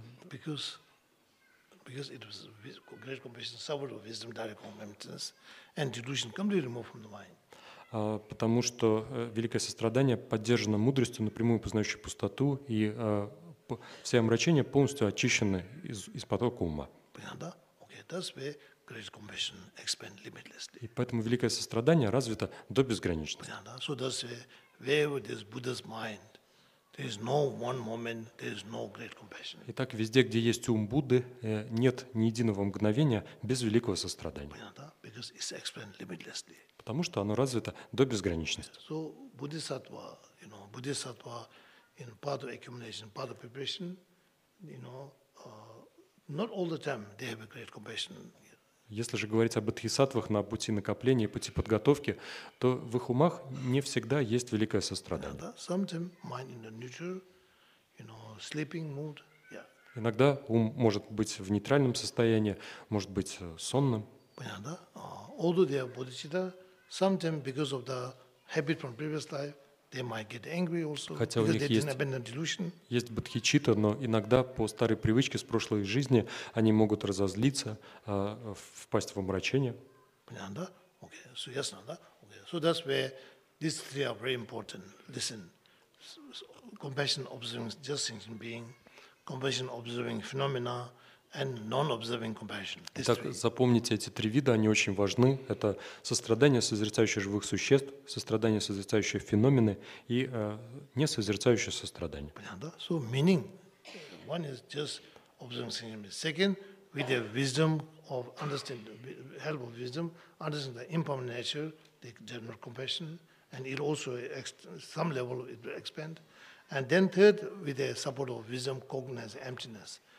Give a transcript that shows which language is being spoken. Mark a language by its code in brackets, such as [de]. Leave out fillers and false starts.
[en] Because it was great compassion, suffered of wisdom, direct on emptiness, and delusion completely removed from the mind. [ru] Потому что великое сострадание поддержано мудростью, напрямую познающей пустоту, и все омрачения полностью очищены из потока ума. Понятно? [en] Okay, that's where great compassion expands limitlessly. [ru] И поэтому великое сострадание развито до безграничности. Понятно? [en] So that's where this Buddha's mind, there is no one moment, there is no great compassion. [ru] Итак, везде, где есть ум Будды, нет ни единого мгновения без великого сострадания. Понятно? [en] Because it expands limitlessly. [ru] Потому что оно развито до безграничности. [en] So Bodhisattva, you know, Bodhisattva in part of accumulation, part of preparation, you know, not all the time they have a great compassion. [ru] Если же говорить о бодхисаттвах на пути накопления, пути подготовки, то в их умах не всегда есть великое сострадание. [en] Sometimes mind in the neutral, you know, sleeping mood. Yeah. [ru] Иногда ум может быть в нейтральном состоянии, может быть сонным. Понятно? [en] Although they are bodhicitta, sometimes because of the habit from previous life, they might get angry also. [ru] Хотя [en] because [ru] у них [en] they [ru] есть, [en] didn't abandon delusion. [ru] Есть бодхичитта, но иногда по старой привычке с прошлой жизни они могут разозлиться, впасть в омрачение. Понятно? [en] Okay. [ru] So ясно, да? Okay. [en] So that's where these three are very important. Listen, compassion observing just thinking being, compassion observing phenomena, and non-observing compassion. [ru] Итак, запомните эти три вида, они очень важны. Это сострадание, созерцающее живых существ, сострадание, созерцающее феномены и не созерцающее сострадание. Понятно? [en] So meaning, one is just observing phenomena. Second, with the wisdom of understand, help of wisdom, understand the impermanent nature, the general compassion, and it also some level it will expand. And then third, with the support of wisdom, cognizance, emptiness.